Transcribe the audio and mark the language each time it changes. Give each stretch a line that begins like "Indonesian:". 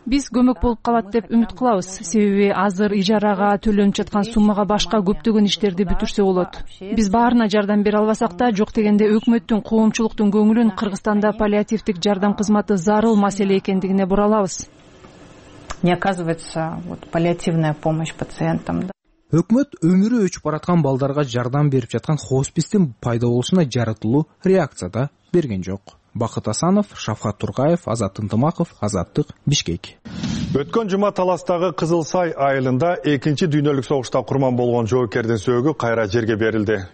Kyrgyz: Биз көмөк болуп калат деп үмүт кылабыз. Себеби азыр ижарага төлөнүп жаткан суммага башка көптөгөн иштерди бүтүрсө болот. Биз баарына жардам бере албасак да, жок дегенде өкмөттүн, коомчулуктун көңүлүн Кыргызстанда паллиативдик жардам кызматы зарыл маселе экендигине буралабыз.
Russian: Не оказывается, паллиативная помощь пациентам.
Kyrgyz: Өкмөт өмүрү өчүп бараткан балдарга жардам берип жаткан хосписттин пайда болушуна жарытылуу реакция да берген жок. Бакыт Асанов, Шафкат Тургаев, Азат Ынтымаков, Азаттык, Бишкек. Өткөн жума Таластагы Кызыл Сай айылында 2-нчи дүйнөлүк согушта курман болгон жоокердин сөөгү кайра жерге берилди.